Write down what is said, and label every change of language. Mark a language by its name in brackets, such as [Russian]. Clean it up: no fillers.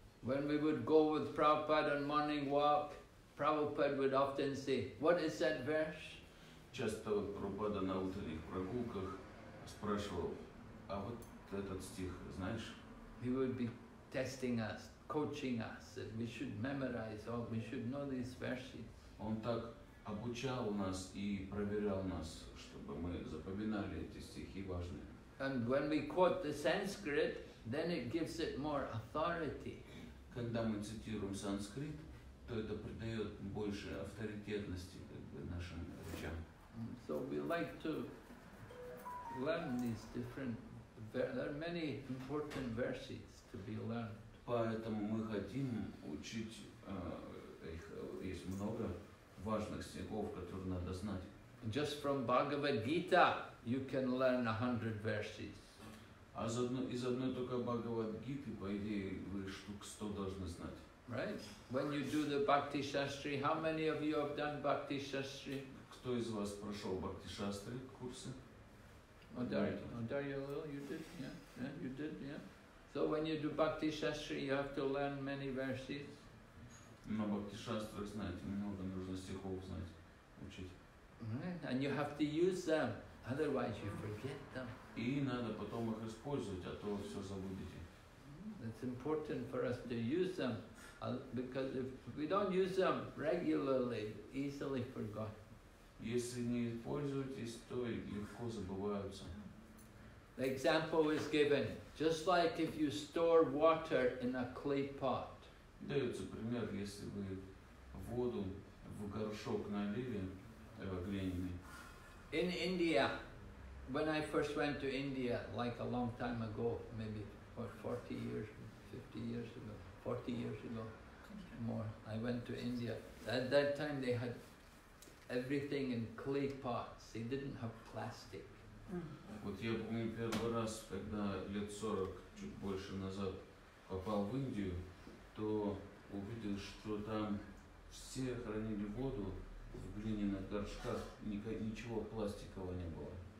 [English] When we would go with Prabhupada on morning walk, Prabhupada would often say, "What is that verse?" [Russian] Часто Прабхупада на утренних прогулках спрашивал, а вот этот стих знаешь? [English] He would be testing us, coaching us, that we should memorize or we should know these verses. [Russian] Он так обучал нас и проверял нас, чтобы мы запоминали эти стихи важные. [English] And when we quote the Sanskrit, then it gives it more authority. [Russian] Когда мы цитируем санскрит, то это придает больше авторитетности как бы нашим речам. [English] So we like to learn these different. There are many important verses to be learned. [Russian] Поэтому мы хотим учить их. Есть много важных стихов, которые надо знать. [English] Just from Bhagavad Gita you can learn 100 verses. [Russian] А из одной только Бхагавад Гиты, по идее, вы штук 100 должны знать. [English] Right? When you do the Bhakti Shastri, how many of you have done Bhakti Shastri? [Russian] Кто из вас прошел Bhakti Shastri курсы? [English] Oh, Darya, you did, yeah. So when you do Bhakti Shastri, you have to learn many verses. [Russian] На Бхакти-шастрах знаете, много нужно стихов знать, учить. [English] And you have to use them, otherwise you forget them. [Russian] И надо потом их использовать, а то вы все забудете. [English] It's important for us to use them, because if we don't use them regularly, easily forgotten. [Russian] Если не пользуетесь, то легко забываются. [English] The example is given, just like if you store water in a clay pot. [Russian] Дается пример, если вы воду в горшок налили, глиняный. [English] In India, when I first went to India, like a long time ago, maybe what, 40 years ago, more, I went to India. At that time, they had everything in clay pots. They didn't have plastic. [Russian] Вот я помню первый раз, когда лет 40, чуть больше назад, попал в Индию, то увидел, что там все хранили воду в глиняных горшках, ничего пластикового не было.